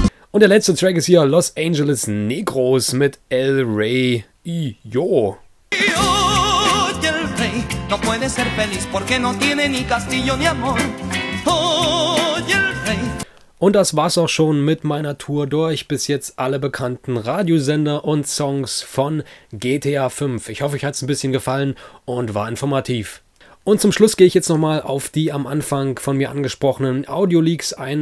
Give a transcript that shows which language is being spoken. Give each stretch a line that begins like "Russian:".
German: Und der letzte Track ist hier Los Angeles Negros mit El Rey y Yo.
Spanish: No puede ser feliz porque no tiene ni castillo ni amor.
German: Und das war's auch schon mit meiner Tour durch. Bis jetzt alle bekannten Radiosender und Songs von GTA 5. Ich hoffe, euch hat's ein bisschen gefallen und war informativ. Und zum Schluss gehe ich jetzt nochmal auf die am Anfang von mir angesprochenen Audio-Leaks ein.